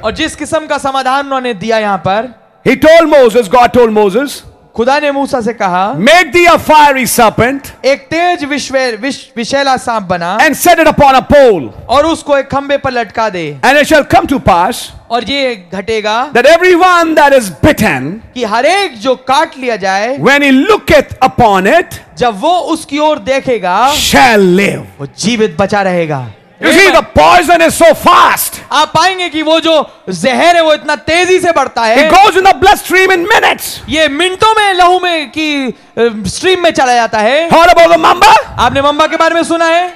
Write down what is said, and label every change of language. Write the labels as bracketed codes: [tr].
[hi] और जिस किस्म का समाधान उन्होंने दिया यहाँ पर. [en] He told Moses. God told Moses. [hi] खुदा ने मूसा से कहा, [en] Make thee a fiery serpent, [hi] एक तेज विषैला सांप बना, [en] and set it upon a pole, [hi] और उसको एक खंबे पर लटका दे, [en] and it shall come to pass, [hi] और ये घटेगा, [en] that everyone that is bitten, [hi] कि हर एक जो काट लिया जाए, [en] when he looketh upon it, [hi] जब वो उसकी ओर देखेगा, [en] shall live, [hi] वो जीवित बचा रहेगा. [en] You see, the poison is so fast. [hi] आप पाएंगे कि वो जो जहर है वो इतना तेजी से बढ़ता है. [en] It goes in the bloodstream in minutes. [hi] ये मिनटों में लहू में की स्ट्रीम में चला जाता है. [en] Heard about the mamba? [hi] आपने मंबा के बारे में सुना है?